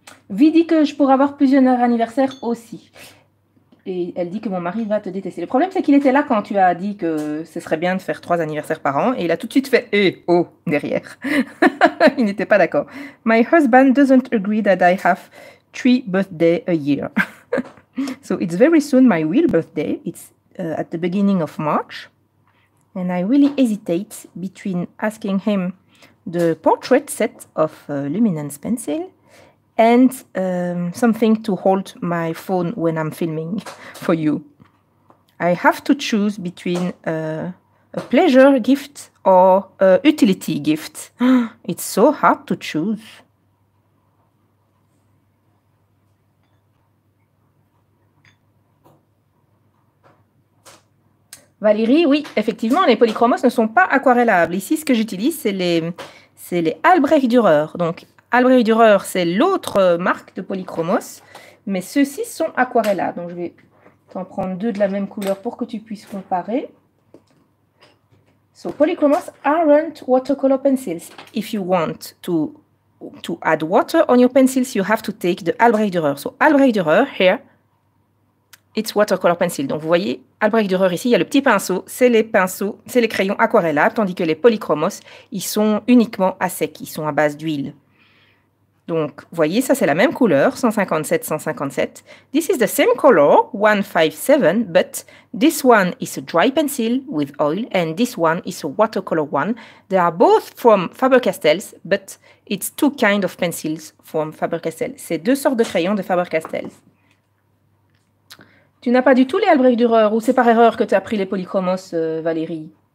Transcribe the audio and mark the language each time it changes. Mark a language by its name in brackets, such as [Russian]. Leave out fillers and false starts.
[French] Vi dit que je pourrais avoir plusieurs anniversaires aussi. Et elle dit que mon mari va te détester. Le problème, c'est qu'il était là quand tu as dit que ce serait bien de faire 3 anniversaires par an. Et il a tout de suite fait eh, oh, derrière. Il n'était pas d'accord. [English] My husband doesn't agree that I have 3 birthdays a year. So it's very soon my real birthday. It's at the beginning of March. And I really hesitate between asking him the portrait set of luminance pencil. And something to hold my phone when I'm filming for you. I have to choose between a pleasure gift or a utility gift. It's so hard to choose. [French] Valérie, oui, effectivement, les polychromos ne sont pas aquarellables. Ici, ce que j'utilise, c'est les Albrecht Dürer. Donc, Albrecht Dürer, c'est l'autre marque de polychromos, mais ceux-ci sont aquarellables. Donc, je vais t'en prendre deux de la même couleur pour que tu puisses comparer. [English] So, polychromos aren't watercolor pencils. If you want to add water on your pencils, you have to take the Albrecht Dürer. So, Albrecht Dürer, here, it's watercolor pencil. [French] Donc, vous voyez, Albrecht Dürer ici, il y a le petit pinceau, c'est les crayons aquarellables, tandis que les polychromos, ils sont uniquement à sec, ils sont à base d'huile. Donc, voyez, ça c'est la même couleur, 157, 157. [English] This is the same color, 157, but this one is a dry pencil with oil and this one is a watercolor one. They are both from Faber-Castell, but it's two kinds of pencils from Faber-Castell. [French] C'est deux sortes de crayons de Faber-Castell. Tu n'as pas du tout les Albrecht Dürer ou c'est par erreur que tu as pris les polychromos, Valérie?